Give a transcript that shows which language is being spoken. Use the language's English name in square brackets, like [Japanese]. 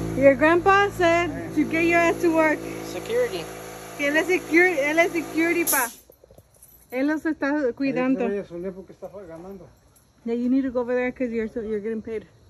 [English] Your grandpa said to get your ass to work. Security. [Spanish] Que él es security, él es security, pa. Él los está cuidando. [English] Yeah, you need to go over there because you're getting paid.